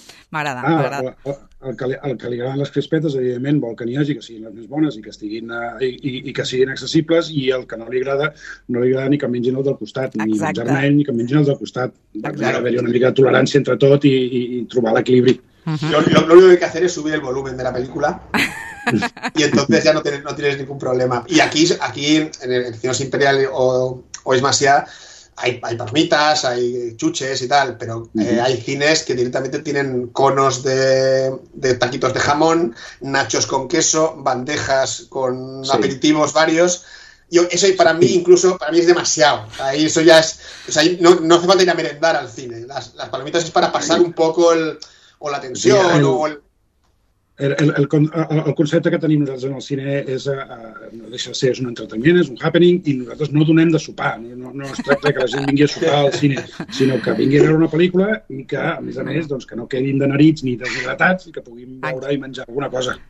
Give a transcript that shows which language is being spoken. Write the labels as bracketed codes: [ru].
[ca] M'agrada. Ah, el que li agraden les crispetes, evidentment, vol que n'hi hagi, que siguin les més bones i que estiguin i que siguin accessibles, i el que no li agrada, no li agrada ni que mengin el del costat, exacte, ni menjar-ne ni que mengin el del costat. Hi ha d'haver-hi una mica de tolerància entre tot i trobar l'equilibri. [es] Lo único que hay que hacer es subir el volumen de la película y entonces ya no tienes ningún problema. Y aquí en el Cinos Imperial o es más ya, hay palmitas, hay chuches y tal, pero hay cines que directamente tienen conos de taquitos de jamón, nachos con queso, bandejas con aperitivos varios. Yo, eso para mí incluso, para mí es demasiado. Ahí eso ya es... O sea, no hace falta ir a merendar al cine. Las palomitas es para pasar un poco o [ca] la tensió, sí, el concepte que tenim nosaltres en el cine és no deixa de ser, és un entreteniment, és un happening, i nosaltres no donem de sopar, no es tracta que la gent vingui a sopar al cine, sinó que vingui a veure una pel·lícula i que, a més a més, doncs, que no quedin de narits ni deshidratats i que puguin veure i menjar alguna cosa.